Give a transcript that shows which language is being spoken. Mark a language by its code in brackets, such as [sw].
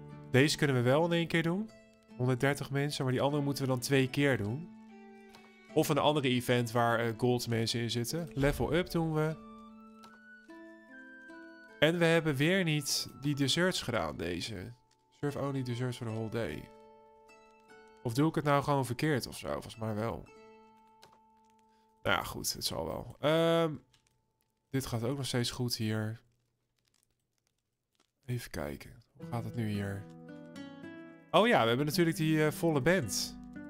[nl] Deze kunnen we wel in één keer doen. 130 mensen, maar die andere moeten we dan 2 keer doen. Of een andere event waar gold mensen in zitten. Level up doen we. En we hebben weer niet die desserts gedaan, deze. [en] Serve only desserts for the whole day. [nl] Of doe ik het nou gewoon verkeerd of zo? Volgens mij wel. Nou ja, goed, het zal wel. Dit gaat ook nog steeds goed hier. Even kijken. Hoe gaat het nu hier? Oh ja, we hebben natuurlijk die volle band.